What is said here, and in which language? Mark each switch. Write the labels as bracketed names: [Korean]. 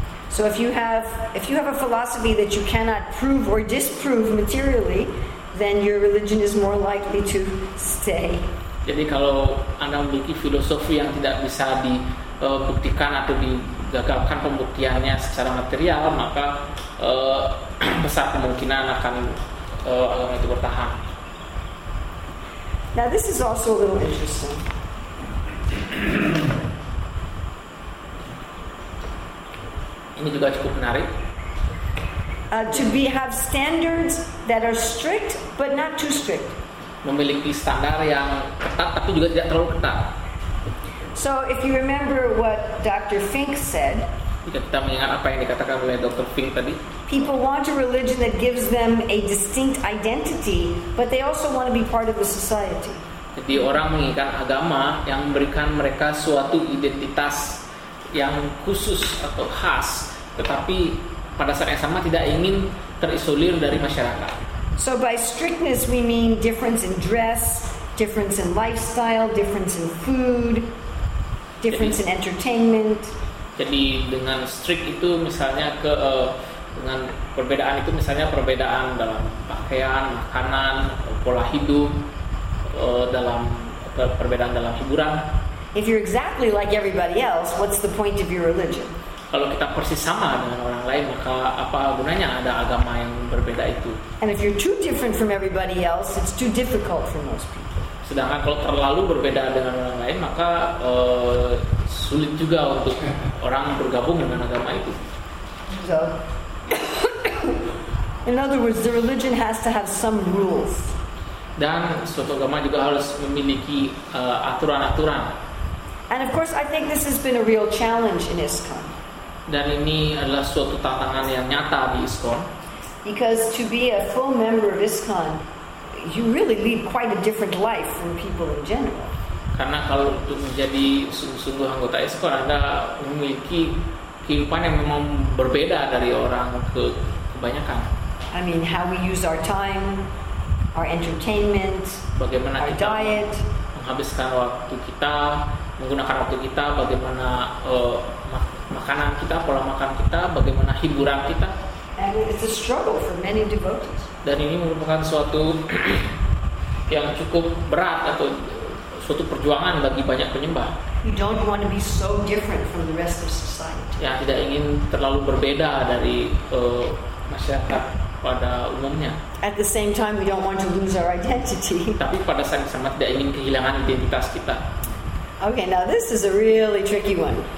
[English] So if you have a philosophy that you cannot prove or disprove materially, then your religion is more likely to stay. [Indonesian] Jadi kalau Anda memiliki filosofi yang tidak bisa dibuktikan atau digagalkan pembuktiannya secara material, maka besar kemungkinan akan agama itu bertahan. [English] Now this is also a little interesting. [Indonesian] Ini juga cukup menarik. [English] To have standards that are strict but not too strict. [Indonesian] Memiliki standar yang ketat tapi juga tidak terlalu ketat. [English] So if you remember what Dr. Fink said. [Indonesian] Jika kita mengingat apa yang dikatakan oleh Dr. Fink tadi. [English] People want a religion that gives them a distinct identity, but they also want to be part of the society. [Indonesian] Jadi orang menginginkan agama yang memberikan mereka suatu identitas yang khusus atau khas, tetapi pada saat yang sama tidak ingin terisolir dari masyarakat. [English] So by strictness we mean difference in dress, difference in lifestyle, difference in food, difference in entertainment. [Indonesian] Jadi dengan strict itu misalnya dengan perbedaan itu misalnya perbedaan dalam pakaian, makanan, pola hidup, dalam perbedaan dalam hiburan. [English] If you're exactly like everybody else, what's the point of your religion? [Indonesian] Kalau kita persis sama dengan orang lain, maka apa gunanya ada agama yang berbeda itu? [English] And if you're too different from everybody else, it's too difficult for most people. [Indonesian] Sedangkan kalau terlalu berbeda dengan orang lain, maka sulit juga untuk orang bergabung dengan agama itu. [English] So, in other words, the religion has to have some rules. [Indonesian] Dan suatu agama juga harus memiliki aturan-aturan. [English] And of course, I think this has been a real challenge in ISKCON. [Indonesian] Dan ini adalah suatu tantangan yang nyata di ISKCON. [English] Because to be a full member of ISKCON, you really lead quite a different life from people in general. [Indonesian] Karena kalau untuk menjadi sungguh-sungguh anggota ISKCON, Anda memiliki kehidupan yang memang berbeda dari orang kebanyakan. [English] I mean, how we use our time, our entertainment, [Indonesian] bagaimana [English] our diet. [Indonesian] Menghabiskan waktu kita, menggunakan waktu kita, bagaimana makanan kita, pola makan kita, bagaimana hiburan kita. [English] And it's a struggle for many devotees. [Indonesian] Dan ini merupakan suatu yang cukup berat atau suatu perjuangan bagi banyak penyembah. [English] You don't want to be so different from the rest of society. [Indonesian] Ya, tidak ingin terlalu berbeda dari masyarakat pada umumnya. [English] At the same time, we don't want to lose our identity. [Indonesian] Tapi pada saat yang sama tidak ingin kehilangan identitas kita. [English] Okay, now this is a really tricky one.